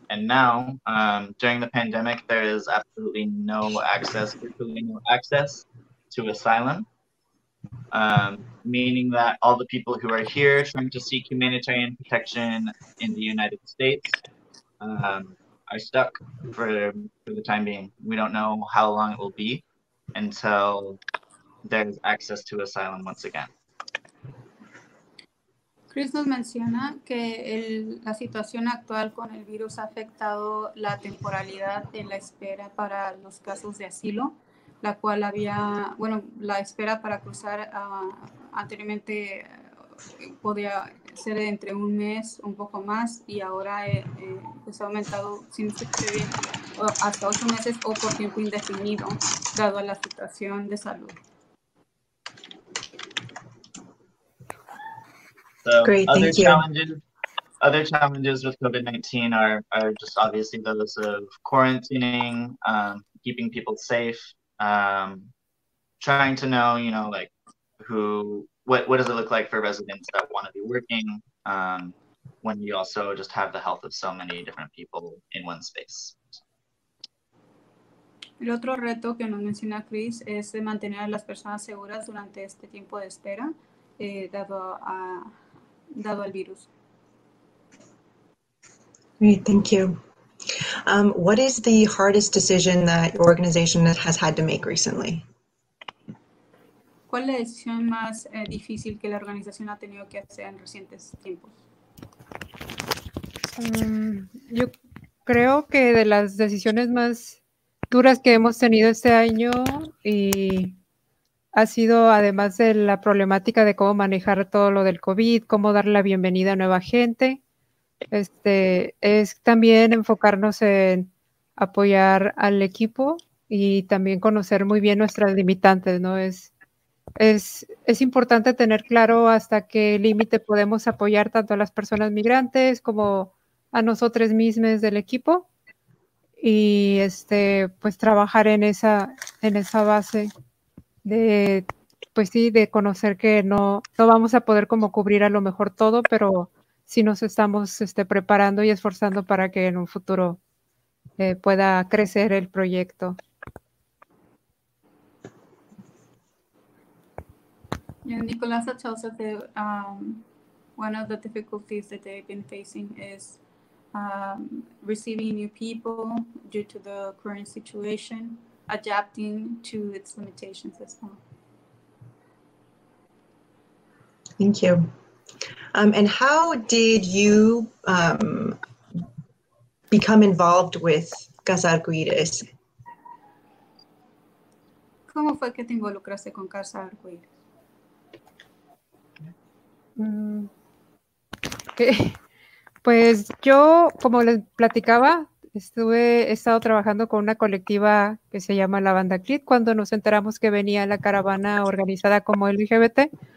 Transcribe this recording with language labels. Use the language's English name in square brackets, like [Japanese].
[English] And now, during the pandemic, there is absolutely no access, virtually no access to asylum, meaning that all the people who are here trying to seek humanitarian protection in the United States are stuck for the time being. We don't know how long it will be until there's access to asylum once again. [Spanish] Chris nos menciona que la situación actual con el virus ha afectado la temporalidad de la espera para los casos de asilo, la cual había, bueno, la espera para cruzar anteriormente podía ser entre un mes, un poco más, y ahora pues ha aumentado sin sucedir, hasta 8 meses o por tiempo indefinido, dado a la situación de salud. [English] So great, other challenges with COVID-19 are just obviously those of quarantining, keeping people safe, trying to know, you know, like what does it look like for residents that want to be working when you also just have the health of so many different people in one space. [Spanish] El otro reto que nos menciona Chris es de mantener a las personas seguras durante este tiempo de espera, dado al virus. [English] Great, thank you. What is the hardest decision that your organization has had to make recently? [Spanish] ¿Cuál es la decisión más difícil que la organización ha tenido que hacer en recientes tiempos? Yo creo que de las decisiones más duras que hemos tenido este año y ha sido, además de la problemática de cómo manejar todo lo del COVID, cómo dar la bienvenida a nueva gente, es también enfocarnos en apoyar al equipo y también conocer muy bien nuestras limitantes, ¿no? Es importante tener claro hasta qué límite podemos apoyar tanto a las personas migrantes como a nosotros mismos del equipo y pues trabajar en esa base de conocer que no vamos a poder como cubrir a lo mejor todo, pero sí nos estamos preparando y esforzando para que en un futuro pueda crecer el proyecto. [English] Yeah, Nicolasa tells us that one of the difficulties that they've been facing is receiving new people due to the current situation, adapting to its limitations as well. Thank you. And how did you become involved with Casa Arcoíris? [Spanish] ¿Cómo fue que te involucraste con Casa Arcoíris? Pues yo, como les platicaba, he estado trabajando con una colectiva que se llama La Banda Clit cuando nos enteramos que venía la caravana organizada como LGBT.